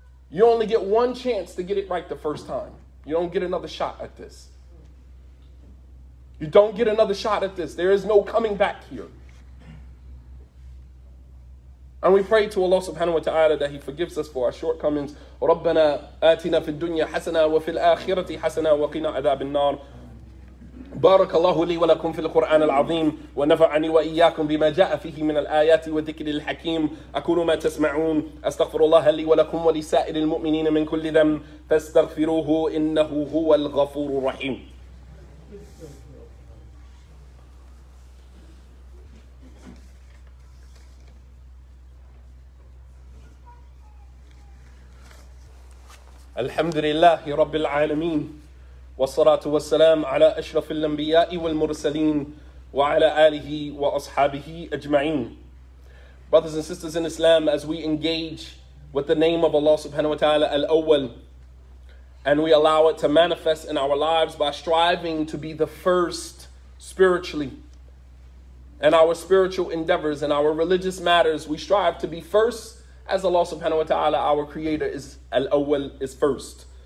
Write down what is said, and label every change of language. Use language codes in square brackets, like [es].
[en] You only get one chance to get it right the first time. You don't get another shot at this. You don't get another shot at this. There is no coming back here. And we pray to Allah subhanahu wa ta'ala that He forgives us for our shortcomings. [ar] رَبَّنَا آتِنَا فِي الدُّنْيَا حَسَنَا وَفِي الْآخِرَةِ حَسَنَا وَقِنَا عَذَابِ النَّارِ بارك الله لي ولكم في القرآن العظيم ونفعني وإياكم بما جاء فيه من الآيات وذكر الحكيم أقول ما تسمعون أستغفر الله لي ولكم ولسائر المؤمنين من كل ذنب فاستغفروه إنه هو الغفور الرحيم. الحمد لله رب العالمين والصلاة والسلام على أشرف الأنبياء والمرسلين وعلى آله وأصحابه أجمعين. [en] Brothers and sisters in Islam, as we engage with the name of Allah subhanahu wa ta'ala, Al-Awwal, and we allow it to manifest in our lives by striving to be the first spiritually. In our spiritual endeavors and our religious matters, we strive to be first as Allah subhanahu wa ta'ala, our creator, is Al-Awwal, is first.